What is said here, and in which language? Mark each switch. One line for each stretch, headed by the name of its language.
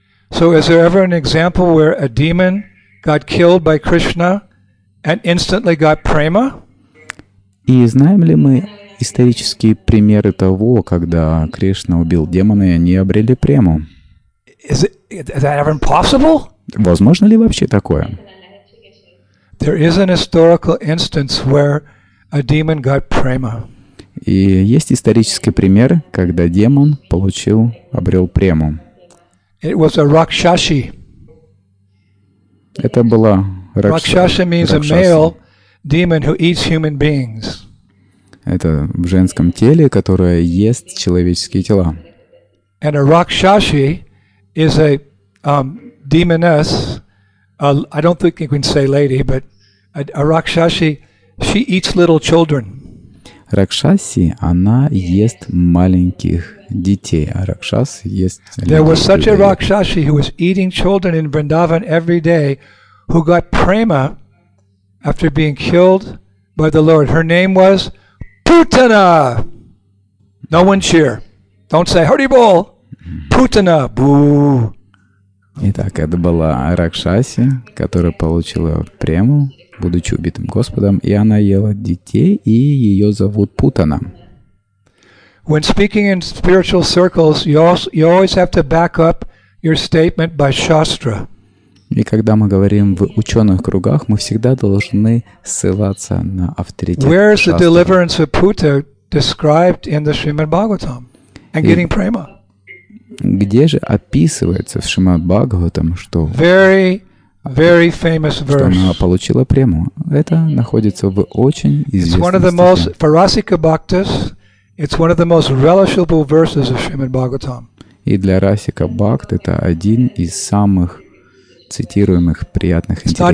English: So is there ever an example where a demon got killed by Krishna and instantly got prema?
Russian: И знаем ли мы исторические примеры того, когда Кришна убил демона, и они обрели прему?
English: Is that ever possible?
Russian: Возможно ли вообще такое?
English: There is an historical instance where a demon got prema.
Russian: И есть исторический пример, когда демон получил, обрел прему.
English: It was a Rakshasi.
Russian: Это была
English: Rakshasi means a male demon who eats human beings.
Russian: Это в женском теле, которое ест человеческие тела.
English: And a Rakshasi is a demoness. I don't think you can say lady, but a Rakshasi, she eats little children.
Russian: Ракшаси, она ест маленьких детей, а ракшас ест людей.
English: There was such a Rakshasi who was eating children in Vrindavan every day, who got prema after being killed by the Lord. Her name was Putana. No one cheer. Don't say Hari Bol. Putana. Boo.
Russian: Итак, это была Ракшаси, которая получила прему, будучи убитым Господом, и она ела детей, и ее зовут Путана.
English: When speaking in spiritual circles, you always have to back up your statement by Shastra.
Russian: И когда мы говорим в ученых кругах, мы всегда должны ссылаться на авторитет Шастры.
English: Where is the deliverance of Puta described in the Srimad Bhagavatam and getting prema?
Russian: Где же описывается в Шримад Бхагаватам, что
English: very famous verse.
Russian: Что она получила прему. Это находится в очень известном стихе.
English: It's one of the most for Rasika Bhaktas, It's one of the most relishable verses of Srimad Bhagavatam.
Russian: И для Расика Бхакта это один из самых цитируемых приятных интересных